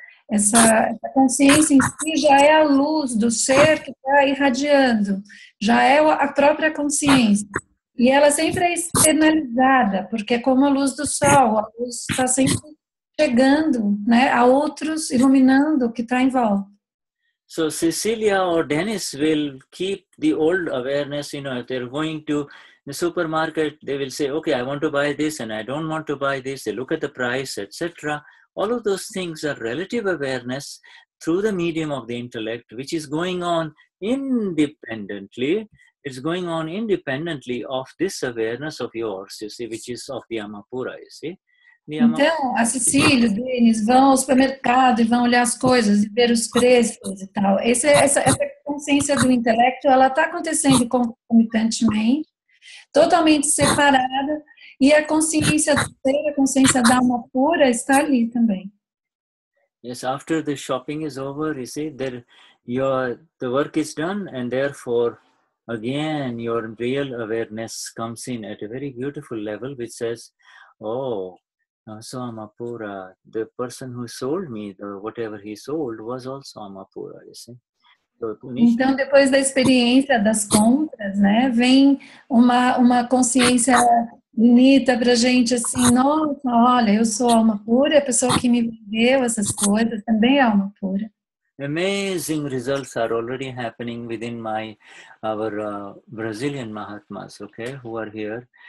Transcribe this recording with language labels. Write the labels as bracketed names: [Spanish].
[Portuguese] Essa consciência em si já é a luz do ser que está irradiando, já é a própria consciência. E ela sempre é externalizada, porque é como a luz do sol, a luz está sempre chegando, né, a outros, iluminando o que está em volta. [English] So Cecilia or Dennis will keep the old awareness, you know, if they're going to the supermarket, they will say, okay, I want to buy this and I don't want to buy this, they look at the price, etc. All of those things are relative awareness through the medium of the intellect, which is going on independently. It's going on independently of this awareness of yours, you see, which is of the Amapura, you see. [Portuguese] Então, a Cecília, o Denis vão ao supermercado e vão olhar as coisas e ver os preços e tal. Essa consciência do intelecto, ela está acontecendo concomitantemente, totalmente separada. E a consciência inteira, a consciência da alma pura, está ali também. [English] Yes, after the shopping is over, you see, there, the work is done, and therefore, again, your real awareness comes in at a very beautiful level, which says, oh, [Portuguese] so alma pura, [English] the person who sold me, whatever he sold, was also alma pura, you see. [Portuguese] Então, depois da experiência das compras, né, vem uma consciência bonita para a gente, assim, nossa, olha, eu sou alma pura, a pessoa que me vendeu essas coisas também é alma pura. [English] Amazing results are already happening within our Brazilian Mahatmas, okay, who are here.